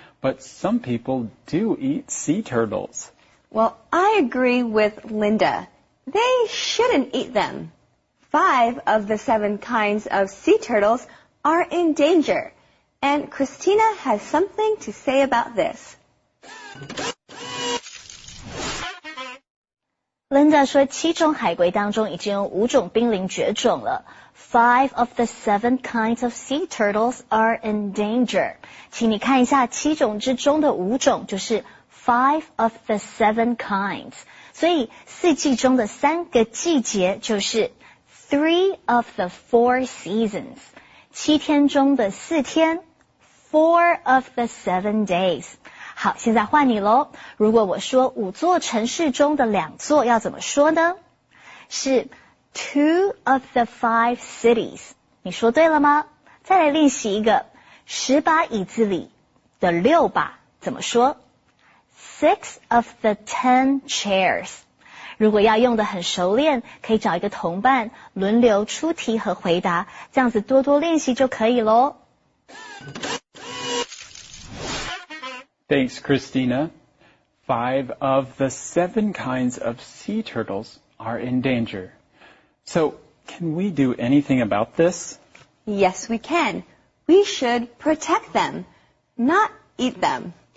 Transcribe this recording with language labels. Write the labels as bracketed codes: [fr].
[en] But some people do eat sea turtles. Well, I agree with Linda. They shouldn't eat them. 5 of the 7 kinds of sea turtles are in danger. And Christina has something to say about this. [zh] Linda 说七种海龟当中已经有五种濒临绝种了。 [en] 5 of the 7 kinds of sea turtles are in danger. [zh] 请你看一下七种之中的五种就是 [en] 5 of the 7 kinds. [zh] 所以四季中的三个季节就是 [en] 3 of the 4 seasons. [zh] 七天中的四天 [en] 4 of the 7 days. [zh] 好，现在换你咯。如果我说五座城市中的两座要怎么说呢？是 [en] 2 of the 5 cities。 [zh] 你说对了吗？再来练习一个，十把椅子里的六把怎么说？ [en] 6 of the 10 chairs。 [zh] 如果要用得很熟练，可以找一个同伴轮流出题和回答，这样子多多练习就可以咯。 [en] Thanks, Christina. 5 of the 7 kinds of sea turtles are in danger. So, can we do anything about this? Yes, we can. We should protect them, not eat them.